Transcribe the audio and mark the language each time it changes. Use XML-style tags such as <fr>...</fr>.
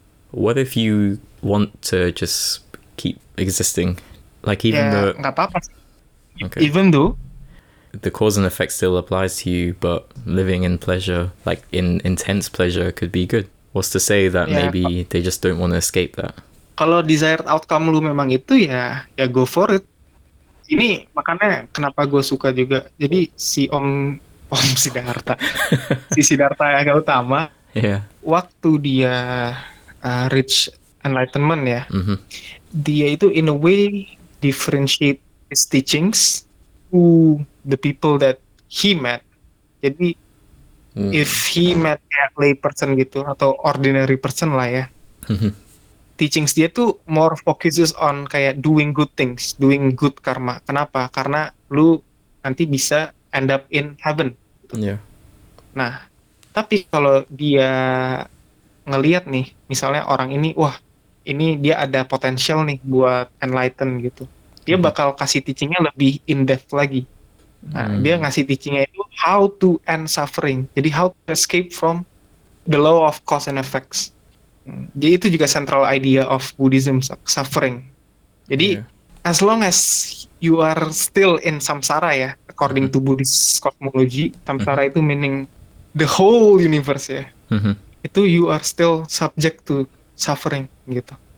<en>What if you want to just keep existing, like even though</en> <id>nggak apa-apa.</id> <en>Okay. Even though the cause and effect still applies to you, but living in pleasure, like in intense pleasure, could be good. What's to say that maybe they just don't want to escape that?</en> <id>Kalau desired outcome lu memang itu, ya</id> <en>go for it.</en> <id>Ini makanya kenapa gue suka juga. Jadi si Om Siddhartha, si Siddhartha yang utama, waktu dia</id> <en>reach enlightenment ya, dia itu in a way differentiate his teachings to the people that he met. Jadi if he met a lay person gitu, atau ordinary person lah ya, teachings dia tuh more focuses on kayak doing good things, doing good karma. Kenapa?</en> <id>Karena lu nanti bisa</id> <en>end up in heaven.</en> <id>Nah, tapi kalau dia ngelihat nih, misalnya orang ini, wah, ini dia ada potential nih buat enlighten gitu. Dia bakal kasih teachingnya lebih in-depth lagi. Nah, dia ngasih teachingnya itu</id> <en>how to end suffering.</en> <id>Jadi</id> <en>how to escape from the law of cause and effects.</en> <id>Jadi itu juga</id> <en>central idea of Buddhism,</en> <id>suffering. Jadi</id> <en>as long as you are still in samsara, ya, according to Buddhist cosmology, samsara itu meaning the whole universe, ya, itu you are still subject to suffering, gitu.</en>